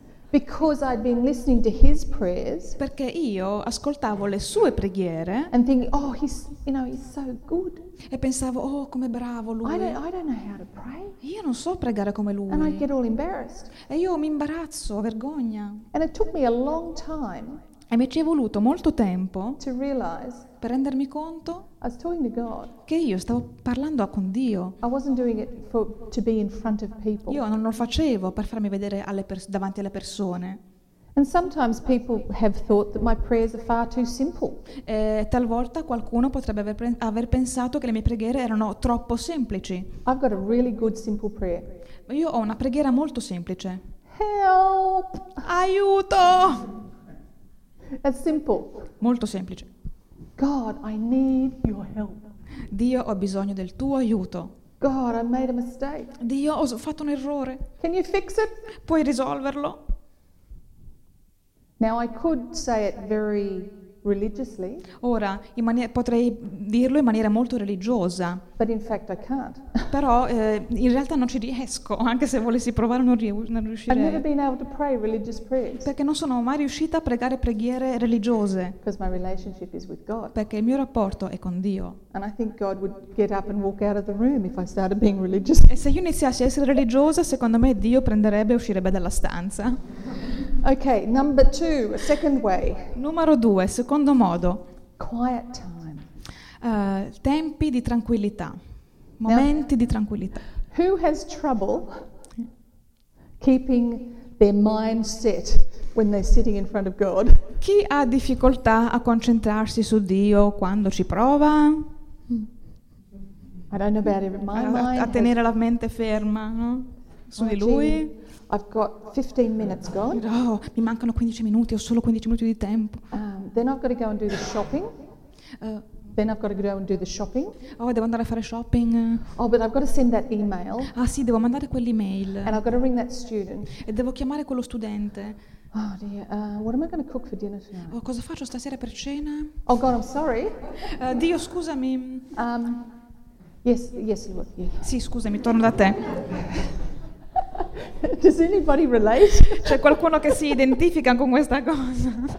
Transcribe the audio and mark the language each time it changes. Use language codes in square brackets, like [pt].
[en] Because I'd been listening to his prayers. [it] Perché io ascoltavo le sue preghiere. [en] And thinking, "Oh, he's so good." [it] E pensavo, "Oh, com'è bravo lui." [en] I don't know how to pray. [it] Io non so pregare come lui. [en] And I get all embarrassed. [it] E io mi imbarazzo, vergogna. [en] And it took me a long time. [it] E mi ci è voluto molto tempo. [en] To realize. [it] Per rendermi conto. [en] I was talking to God. [it] Che io stavo parlando con Dio. [en] I wasn't doing it to be in front of people. [it] Io non lo facevo per farmi vedere davanti alle persone. [en] And sometimes people have thought that my prayers are far too simple. [it] E talvolta qualcuno potrebbe aver pensato che le mie preghiere erano troppo semplici. [en] I've got a really good simple prayer. [it] Ma io ho una preghiera molto semplice. [en] Help! [it] Aiuto! [en] That's simple. [it] Molto semplice. [en] God, I need your help. [it] Dio, ho bisogno del tuo aiuto. [en] God, I made a mistake. [it] Dio, ho fatto un errore. [en] Can you fix it? [it] Puoi risolverlo? [en] Now I could say it very religiously. [it] Ora, potrei dirlo in maniera molto religiosa. [en] But in fact I can't. [it] Però in realtà non ci riesco, anche se volessi provare non riuscirei. [en] I've never been able to pray religious prayers. [it] Perché non sono mai riuscita a pregare preghiere religiose. [en] Because my relationship is with God. [it] Perché il mio rapporto è con Dio. [en] And I think God would get up and walk out of the room if I started being religious. [it] E se io iniziassi a essere religiosa, secondo me Dio prenderebbe e uscirebbe dalla stanza. [en] Okay, number two, a second way. [it] Numero due, secondo modo. [en] Quiet time. [it] Tempi di tranquillità. Momenti di tranquillità. [en] Who has trouble keeping their mind set when they're sitting in front of God? [it] Chi ha difficoltà a concentrarsi su Dio quando ci prova? [en] I don't know about my mind. [it] A tenere la mente ferma, no? Su di lui. [en] I've got 15 minutes, God. [it] No, mi mancano 15 minuti, ho solo 15 minuti di tempo. [en] Then I've got to go and do the shopping. Then I've got to go and do the shopping. [it] Oh, devo andare a fare shopping. [en] Oh, but I've got to send that email. [it] Ah, sì, devo mandare quell'email. [en] And I've got to ring that student. [it] E devo chiamare quello studente. [en] Oh dear, what am I going to cook for dinner tonight? [it] Oh, cosa faccio stasera per cena? [en] Oh God, I'm sorry. [it] Dio, scusami. [en] Yes, Lord. Yes. [it] Sì, scusami, torno da te. [en] Does anybody relate? [it] C'è qualcuno che si identifica con questa cosa?